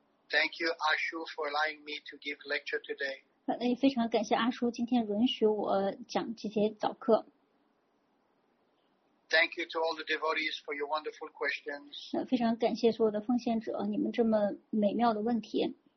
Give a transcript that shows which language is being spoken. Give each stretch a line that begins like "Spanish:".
English: Thank you, Ashu, for allowing me to give lecture today.
Chinese: 那也非常感谢阿叔今天允许我讲这些早课。
English: Thank you to all the devotees for your wonderful questions.
Chinese: 那非常感谢所有的奉献者，你们这么美妙的问题。